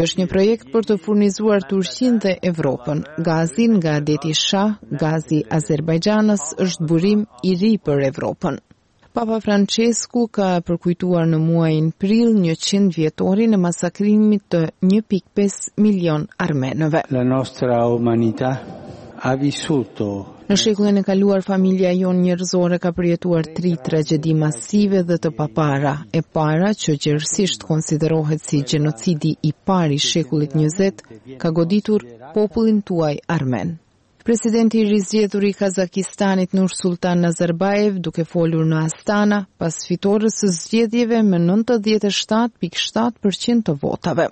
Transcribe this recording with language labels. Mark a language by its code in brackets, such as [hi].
[sq] është një projekt për të furnizuar Turqinë dhe Evropën. Gazin nga deti Shah, gazi Azerbajxhanës, është burim i ri për Evropën. Papa Francesku ka përkujtuar në muajin prill 100 vjetorin e masakrimit të 1.5 milion armenëve. [it] La nostra umanità ha vissuto. [sq] Në shekullin e kaluar, familja jonë njerëzore ka përjetuar tri tragjedi masive dhe të papara. E para, që gjerësisht konsiderohet si gjenocidi i pari shekullit 20, ka goditur popullin tuaj armen. Presidenti i rizgjedhur i Kazakistanit Nursultan Nazarbayev, duke folur në Astana, pas fitores së zgjedhjeve me 97.7% të votave.